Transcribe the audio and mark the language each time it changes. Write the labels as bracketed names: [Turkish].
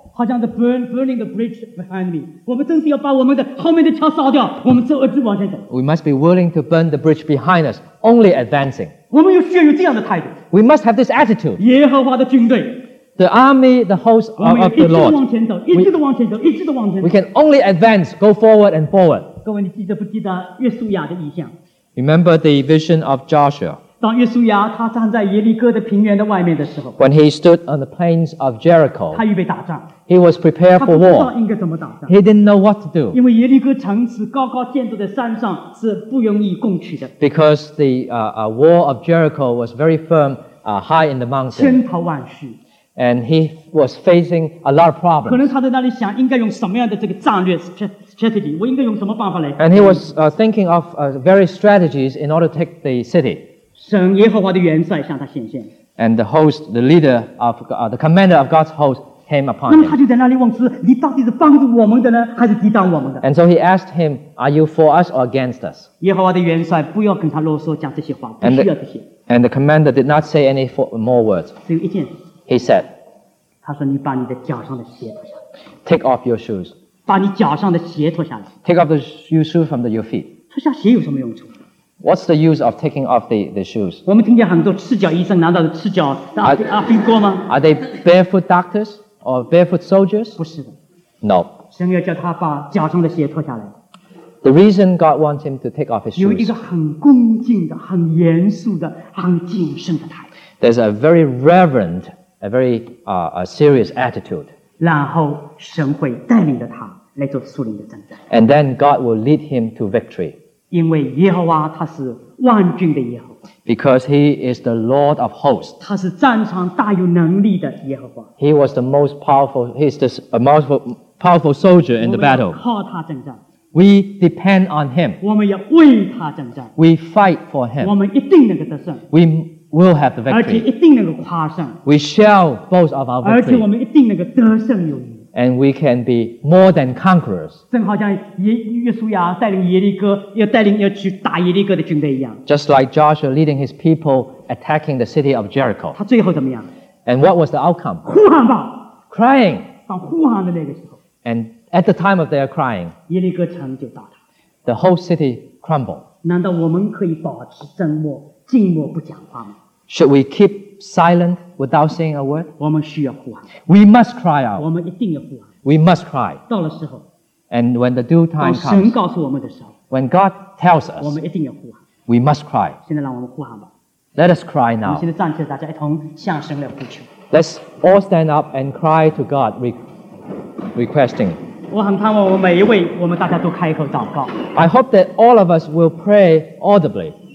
[Chinese] 好像 [English] burning the bridge behind me. [Chinese] 我们真是要把我们的后面的桥烧掉，我们而只往前走。 [English] We must be willing to burn the bridge behind us, only advancing. [Chinese] 我们有需要有这样的态度。 [English] We must have this attitude. [Chinese] 耶和华的军队。 [English] The army, the host of the Lord. [Chinese] 我们要一直往前走，一直的往前走，一直的往前走。 [English] We can only advance, go forward and forward. [Chinese] 各位，你记得不记得约书亚的意象？ [English] Remember the vision of Joshua. [Chinese] 当约书亚他站在耶利哥的平原的外面的时候。 [English] When he stood on the plains of Jericho. [Chinese] 他预备打仗。 [English] He was prepared for war. [Chinese] 他不知道应该怎么打仗。 [English] He didn't know what to do. [Chinese] 因为耶利哥城池高高建筑在山上是不容易攻取的。 [English] Because the wall of Jericho was very firm, high in the mountain. [Chinese] 千头万绪。 [English] And he was facing a lot of problems. [Chinese] 可能他在那里想，应该用什么样的这个战略 strategy? 我应该用什么办法来？ [English] And he was thinking of various strategies in order to take the city. [Chinese] 神耶和华的元帅向他显现。 [English] And the host, the leader of the commander of God's host. Came upon him. And so he asked him, Are you for us or against us? And the commander did not say any more words. He said, [Chinese] 他说你把你的脚上的鞋脱下来。 [English] Take off your shoes. [Chinese] 把你脚上的鞋脱下来。 [English] Take off your shoes from your feet. [Chinese] 脱下鞋有什么用处？ [English] What's the use of taking off the shoes? [Chinese] 我们听见很多赤脚医生，难道是赤脚阿兵哥吗？ [English] Are they barefoot doctors? Or barefoot soldiers? [Chinese] 不是的。 [English] No. [Chinese] 神要叫他把脚上的鞋脱下来。 [English] The reason God wants him to take off his shoes. [Chinese] 有一个很恭敬的、很严肃的、很谨慎的态度。 [English] There's a very reverent, a very a serious attitude. [Chinese] 然后神会带领着他来做属灵的征战。 [English] And then God will lead him to victory. [Chinese] 因为耶和华他是万军的耶和华。 [English] Because he is the Lord of hosts. [Chinese] 他是战场大有能力的耶和华。 [English] He was the most powerful. He's the most powerful soldier in the battle. [Chinese] 我们要靠他征战。 [English] We depend on him. [Chinese] 我们要为他征战。 [English] We fight for him. [Chinese] 我们一定能够得胜。 [English] We will have the victory. [Chinese] 而且一定能够夸胜。 [English] We shall boast of our victory. [Chinese] 而且我们一定能够得胜有余。 [English] And we can be more than conquerors. [Chinese] 正好像约书亚带领耶利哥，要带领要去打耶利哥的军队一样。 [English] Just like Joshua leading his people attacking the city of Jericho. [Chinese] 他最后怎么样？ [English] And what was the outcome? [Chinese] 呼喊吧。 [English] Crying. [Chinese] 当呼喊的那个时候。 [English] And at the time of their crying, [Chinese] 耶利哥城就倒塌。 [English] The whole city crumbled. [Chinese] 难道我们可以保持沉默，静默不讲话吗？ [English] Should we keep silent without saying a word? [Chinese] 我们需要呼喊。 [English] We must cry out. [Chinese] 我们一定要呼喊。 [English] We must cry. [Chinese] 到了时候。 [English] And when the due time comes, [Chinese] 当神告诉我们的时候。 [English] When God tells us, [Chinese] 我们一定要呼喊。 [English] We must cry. [Chinese] 现在让我们呼喊吧。 [English] Let us cry now. [Chinese] 我们现在站起来，大家一同向神来呼求。 [English] Let's all stand up and cry to God, requesting. [Chinese] 我很盼望我们每一位，我们大家都开口祷告。 [English] I hope that all of us will pray audibly.